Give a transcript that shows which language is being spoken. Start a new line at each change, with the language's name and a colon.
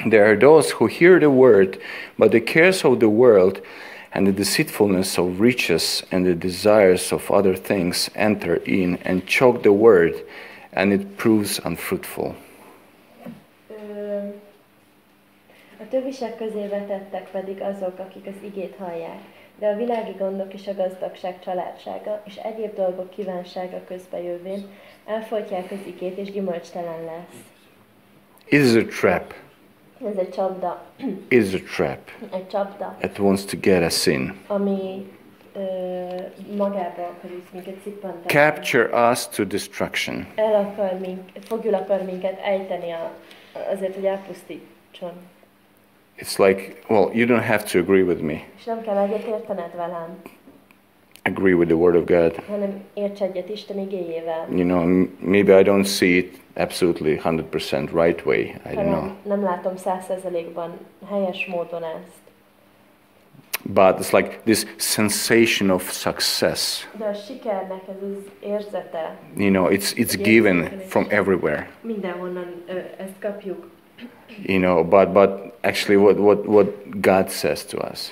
English: There are those who hear the word, but the cares of the world and the deceitfulness of riches and the desires of other things enter in and choke the word, and it proves unfruitful.
Hungarian: A tövisek közé vetettek pedig azok, akik az igét hallják. De a világi gondok és a gazdagság családsága és egyéb dolgok kívánsága közbejövén elfogyják az igét és gyümölcstelen lesz.
English: It is a trap.
Hungarian: Ez egy csapda.
English: It is a trap.
Hungarian: Egy csapda.
English: It wants to get us in.
Hungarian: Ami magába akarsz minket szippantani.
English: Capture us to destruction.
Hungarian: El akar minket, fogjul akar minket ejteni azért, hogy elpusztítson.
English: It's like, well, you don't have to agree with me.
Hungarian: És nem kell egyetértened velem.
English: Agree with the word of God.
Hungarian: Hanem érts egyet Isten igéjével.
English: You know, maybe I don't see it absolutely 100% right way. I don't know.
Hungarian: Nem látom 100%-ban helyes módon ezt.
English: But it's like this sensation of success.
Hungarian: De a sikernek ez az érzete.
English: You know, it's given from everywhere.
Hungarian: Mindenhonnan ezt kapjuk.
English: You know, but actually what God says to us.